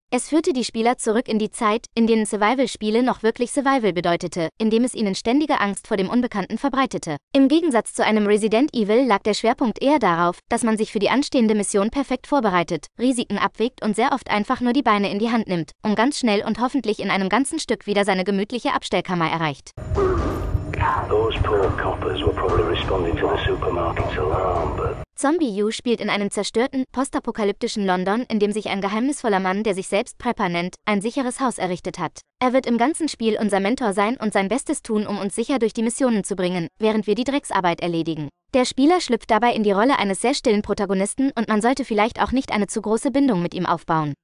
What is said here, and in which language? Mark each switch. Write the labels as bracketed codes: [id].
[de] Es führte die Spieler zurück in die Zeit, in denen Survival-Spiele noch wirklich Survival bedeutete, indem es ihnen ständige Angst vor dem Unbekannten verbreitete. Im Gegensatz zu einem Resident Evil lag der Schwerpunkt eher darauf, dass man sich für die anstehende Mission perfekt vorbereitet, Risiken abwägt und sehr oft einfach nur die Beine in die Hand nimmt, um ganz schnell und hoffentlich in einem ganzen Stück wieder seine gemütliche Abstellkammer erreicht. [en] Those poor coppers were probably responding to the supermarket's alarm, but... [de] Zombie U spielt in einem zerstörten, postapokalyptischen London, in dem sich ein geheimnisvoller Mann, der sich selbst Prepper nennt, ein sicheres Haus errichtet hat. Er wird im ganzen Spiel unser Mentor sein und sein Bestes tun, um uns sicher durch die Missionen zu bringen, während wir die Drecksarbeit erledigen. Der Spieler schlüpft dabei in die Rolle eines sehr stillen Protagonisten und man sollte vielleicht auch nicht eine zu große Bindung mit ihm aufbauen.